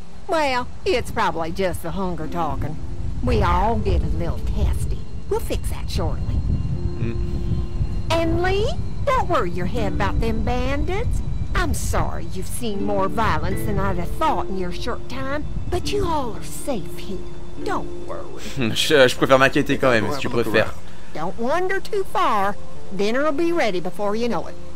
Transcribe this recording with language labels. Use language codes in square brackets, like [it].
[en] Well, it's probably just the hunger talking. We all get a little testy. We'll fix that shortly. Mm. And Lee, don't worry your head about them bandits. I'm sorry you've seen more violence than I'd have thought in your short time, but you all are safe here. Don't worry. [fr] Je préfère m'inquiéter quand même, si tu préfères. [en] Don't wander too far. Dinner will be ready before you know it.